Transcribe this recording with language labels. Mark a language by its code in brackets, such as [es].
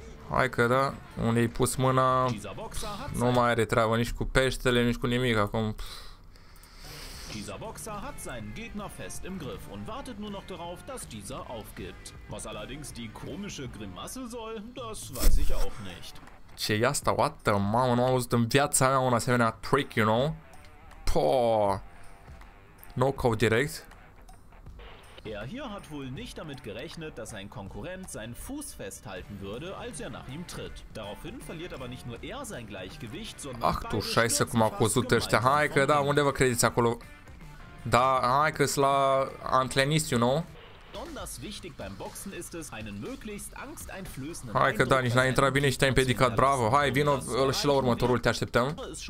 [ro] Hai că da, unde i-ai pus mâna, nu mai are treabă nici cu peștele, nici cu nimic acum. [de] Dieser Boxer hat seinen Gegner fest im Griff und wartet nur noch darauf, dass dieser aufgibt. Was allerdings die komische Grimasse soll, das weiß ich auch nicht. [ro] Ce-i asta? What the mama, nu am auzut în viața mea un asemenea trick, [en] you know? [ro] Poh! Knockout direct. [de] Er hier hat wohl nicht damit gerechnet, dass ein Konkurrent seinen Fuß festhalten würde, als er nach ihm tritt. Daraufhin verliert aber nicht nur er sein Gleichgewicht, sondern... Ach du Scheiße, [ro] cum a cozut ăștia. Hai că da, unde vă credeți acolo? Da, hai că-s la antrenist, [en] you know? [de] Besonders wichtig beim Boxen ist es, einen möglichst angsteinflößenden [ro] Hai că da, nici n-a intrat bine și te-ai împiedicat, bravo. Hai, vino și la următorul, te așteptăm.